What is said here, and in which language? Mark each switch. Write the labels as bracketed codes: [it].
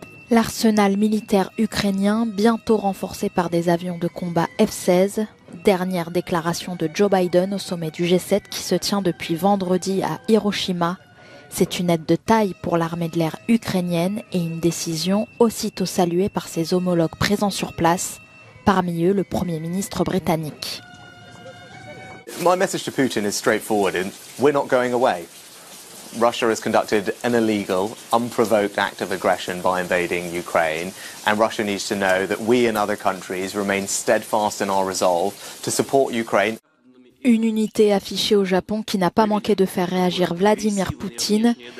[fr] L'arsenal militaire ukrainien, bientôt renforcé par des avions de combat F-16, dernière déclaration de Joe Biden au sommet du G7 qui se tient depuis vendredi à Hiroshima. C'est une aide de taille pour l'armée de l'air ukrainienne et une décision aussitôt saluée par ses homologues présents sur place, parmi eux le Premier ministre britannique. [en] My message to Putin is straightforward and we're not going away. Russia has conducted an illegal, unprovoked act of aggression by invading Ukraine, and Russia needs to know that we and other countries remain steadfast in our resolve to support Ukraine. [fr] Une unité affichée au Japon qui n'a pas manqué de faire réagir Vladimir Poutine.